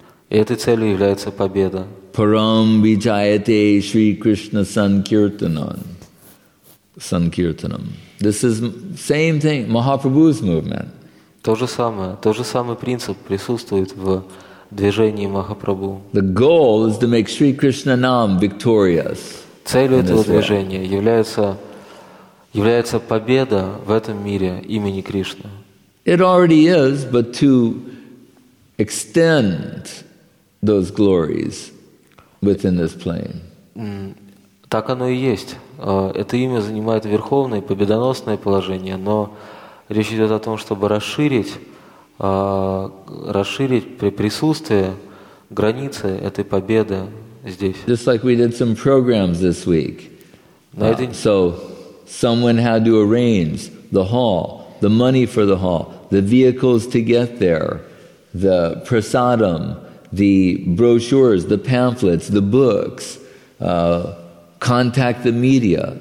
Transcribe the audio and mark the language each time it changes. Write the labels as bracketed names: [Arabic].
[Russian] И этой целью является победа. [Sanskrit] Param vijayate Shri Krishna Sankirtanam. Sankirtanam. [English] This is same thing. Mahaprabhu's movement. [Russian] То же самое принцип присутствует в движении Махапрабху. [English] The goal is to make Shri Krishna Nam victorious. [Russian] Целью этого движения является победа в этом мире имени Кришны. [English] It already is, but to extend those glories within this plane. [Russian] Так оно и есть. Это имя занимает верховное, победоносное положение, но речь идет о том, чтобы расширить расширить присутствие, границы этой победы здесь. [English] Just like we did some programs this week. So someone had to arrange the hall, the money for the hall, the vehicles to get there, the prasadam, the brochures, the pamphlets, the books, contact the media.